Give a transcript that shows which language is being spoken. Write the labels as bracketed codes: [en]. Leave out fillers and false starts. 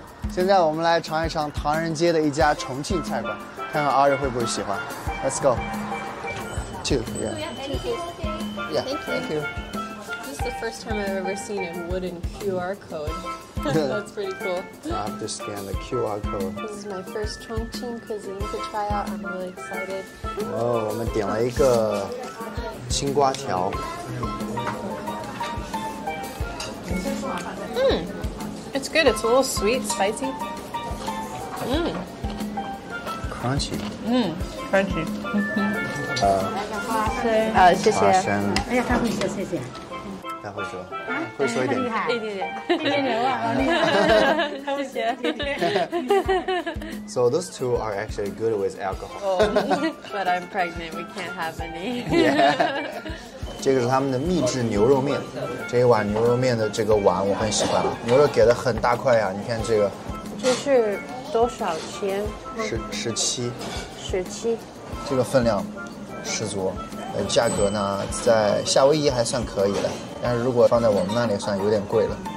[zh] 现在我们来尝一尝唐人街的一家重庆菜馆，看看阿瑞会不会喜欢。 [en] Let's go. Two. Yeah. Thank you. Yeah. Thank you. This is the first time I've ever seen a wooden QR code. That's pretty cool. I have to scan the QR code. This is my first Chongqing cuisine to try out. I'm really excited. [zh] Oh, 我们点了一个青瓜条。 [en] It's good. It's a little sweet, spicy. Mmm. Crunchy. Mmm. Crunchy. [zh] Mm-hmm. 谢谢。花生。哎呀，他会说谢谢。他会说。会说一点。厉害。一点点。一点点哇，好厉害。他会说。 [en] So those two are actually good with alcohol. But I'm pregnant. We can't have any. Yeah. [zh] 这个是他们的秘制牛肉面，这一碗牛肉面的这个碗我很喜欢啊，牛肉给的很大块呀、啊，你看这个，这是多少钱？ 17。 17。这个分量十足，价格呢在夏威夷还算可以的，但是如果放在我们那里算有点贵了。